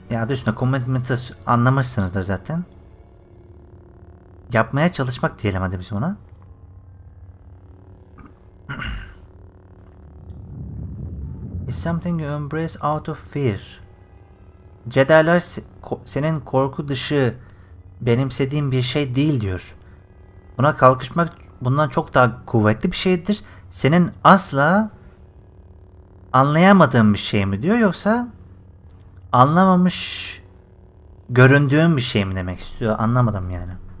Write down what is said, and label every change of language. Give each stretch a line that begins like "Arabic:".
Turkish: Ya adı üstünde commitment'ı anlamışsınızdır zaten. Yapmaya çalışmak diyelim hadi biz buna.
English: It's something you embrace out of fear.
Turkish: Jedi'lar senin korku dışı benimsediğin bir şey değil diyor. Buna kalkışmak bundan çok daha kuvvetli bir şeydir. Senin asla anlayamadığın bir şey mi diyor, yoksa anlamamış göründüğün bir şey mi demek istiyor? Anlamadım yani.